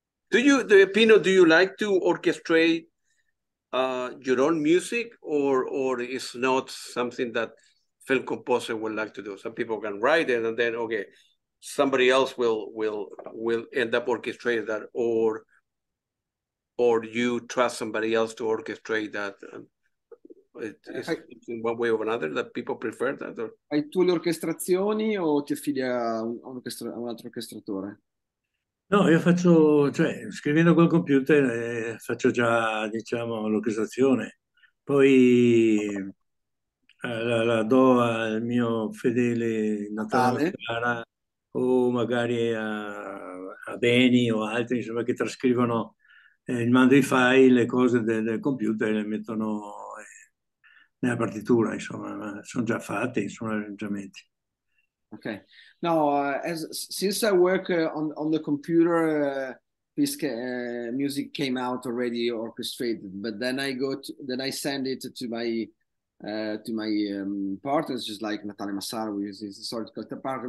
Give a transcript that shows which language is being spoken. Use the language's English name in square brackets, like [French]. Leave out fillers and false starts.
[English] Do you, the Pino, do you like to orchestrate your own music, or is not something that film composer would like to do? Some people can write it and then, okay, somebody else will end up orchestrating that, or you trust somebody else to orchestrate that? It is in one way or another that people prefer that? Or... [Italian] Hai tu le orchestrazioni o ti affidi a un altro orchestratore? No, io faccio, cioè, scrivendo col computer faccio già, diciamo, l'orchestrazione. Poi la do al mio fedele Natale Natale. Mascara o magari a Beni o altri, insomma, che trascrivono, mando i file, le cose del computer e le mettono nella partitura, insomma, sono già fatte, sono arrangiamenti. [English] Okay. Now, since I work on the computer, this music came out already orchestrated, but then I go to, then I send it to my partners, just like Natale Massaro, who is a sort of partner.